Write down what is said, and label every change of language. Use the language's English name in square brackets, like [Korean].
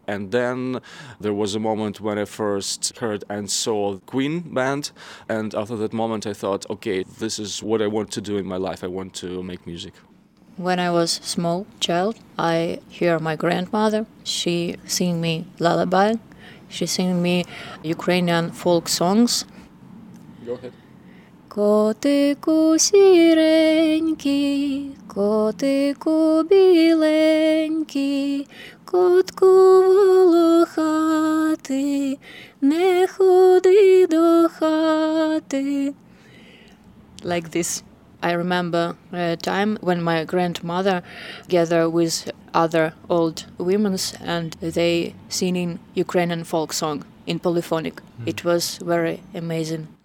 [English] And then there was a moment when I first heard and saw Queen Band, and after that moment I thought, okay, this is what I want to do in my life. I want to make music. When I was small child, I hear my grandmother, she sing me lullaby, she sing me Ukrainian folk songs. Go ahead. [Ukrainian] Котику сіренький, котику біленький, котку волохатий, не ходи до хати. [English] Like this. I remember a time when my grandmother gathered with other old women and they singing Ukrainian folk song in polyphonic. Mm. It was very amazing.